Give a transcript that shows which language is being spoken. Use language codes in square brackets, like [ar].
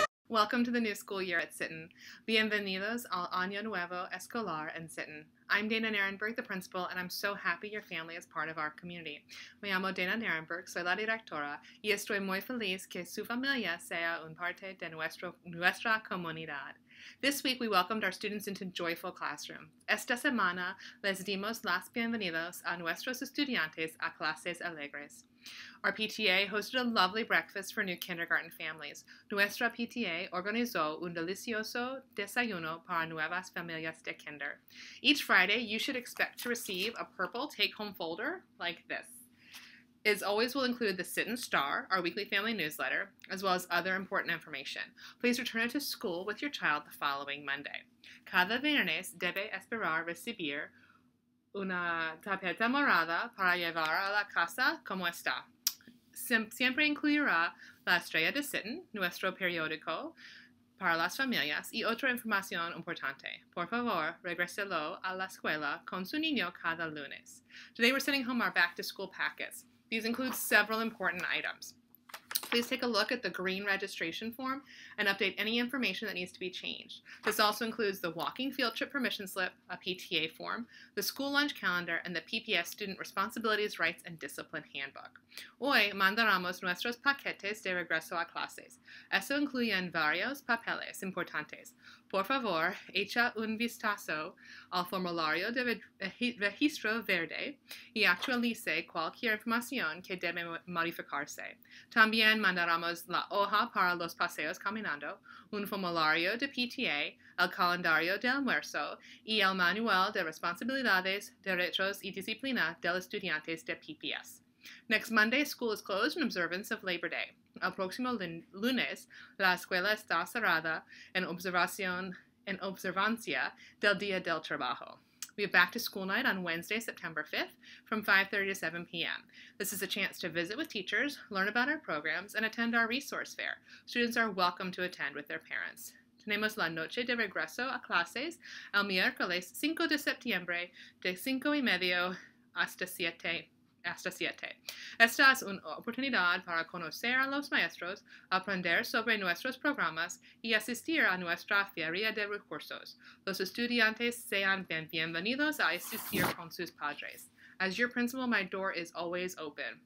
[en] Welcome to the new school year at Sitton. [es] Bienvenidos al año nuevo escolar en Sitton. [en] I'm Dana Nirenberg, the principal, and I'm so happy your family is part of our community. [es] Me llamo Dana Nirenberg, soy la directora, y estoy muy feliz que su familia sea un parte de nuestra comunidad. [en] This week, we welcomed our students into Joyful Classroom. [es] Esta semana, les dimos las bienvenidas a nuestros estudiantes a clases alegres. [en] Our PTA hosted a lovely breakfast for new kindergarten families. [es] Nuestra PTA organizó un delicioso desayuno para nuevas familias de kinder. [en] Each Friday, you should expect to receive a purple take-home folder like this. As always, we'll include the Sitton Star, our weekly family newsletter, as well as other important information. Please return it to school with your child the following Monday. [es] Cada viernes debe esperar recibir una tarjeta morada para llevar a la casa como está. Siempre incluirá la estrella de Sitton, nuestro periódico, para las familias y otra información importante. Por favor, regreselo a la escuela con su niño cada lunes. [en] Today we're sending home our back-to-school packets. These include several important items. Please take a look at the green registration form and update any information that needs to be changed. This also includes the walking field trip permission slip, a PTA form, the school lunch calendar, and the PPS Student Responsibilities, Rights, and Discipline Handbook. [es] Hoy mandaremos nuestros paquetes de regreso a clases. Eso incluye varios papeles importantes. Por favor, echa un vistazo al formulario de registro verde y actualice cualquier información que debe modificarse. También mandaremos la hoja para los paseos caminando, un formulario de PTA, el calendario de almuerzo y el manual de responsabilidades, derechos y disciplina de los estudiantes de PPS. [en] Next Monday, school is closed in observance of Labor Day. [es] El próximo lunes, la escuela está cerrada en observancia del Día del Trabajo. [en] We have back-to-school night on Wednesday, September 5th, from 5:30 to 7 p.m. This is a chance to visit with teachers, learn about our programs, and attend our resource fair. Students are welcome to attend with their parents. [es] Tenemos la noche de regreso a clases el miércoles 5 de septiembre de 5:30 hasta 7. Esta es una oportunidad para conocer a los maestros, aprender sobre nuestros programas y asistir a nuestra feria de recursos. Los estudiantes sean bienvenidos a asistir con sus padres. [en] As your principal, my door is always open.